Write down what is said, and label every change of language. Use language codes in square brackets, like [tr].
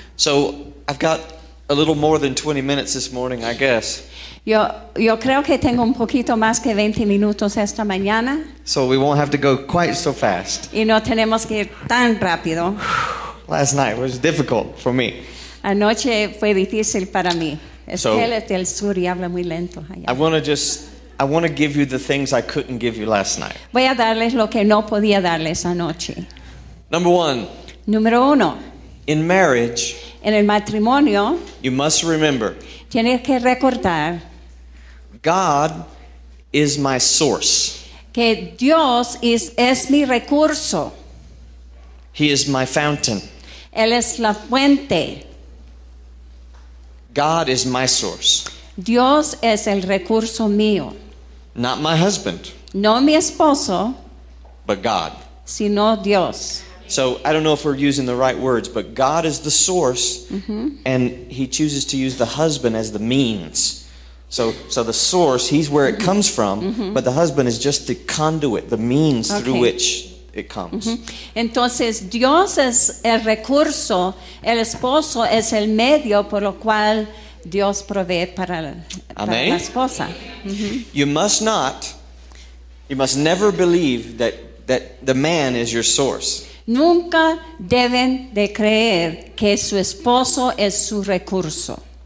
[en] So I've got a little more than 20 minutes this morning, I guess. [es] Yo creo que tengo un poquito más que 20 minutos esta mañana. [en] So we won't have to go quite so fast. [es] Y no tenemos que ir tan rápido. [en] Last night was difficult for me. [es] Anoche fue difícil para mí. Es que él es del sur y habla muy lento allá. [en] I want to give you the things I couldn't give you last night. [es] Voy a darles lo que no podía darles anoche. [en] Number one. [es] Número uno. [en] In marriage, [es] en el matrimonio, [en] you must remember, [es] tienes que recordar, [en] God is my source. [es] Que Dios es mi recurso. [en] He is my fountain. [es] Él es la fuente. [en] God is my source. [es] Dios es el recurso mío. [en] Not my husband. [es] No mi esposo. [en] But God. [es] Sino Dios. [en] So I don't know if we're using the right words, but God is the source, and he chooses to use the husband as the means. So the source, he's where it comes from, but the husband is just the conduit, the means through which it comes. [es] Entonces, Dios es el recurso, el esposo es el medio por lo cual Dios provee para la esposa. [en] You must never believe that the man is your source. [es] Nunca deben de creer que su esposo es su recurso.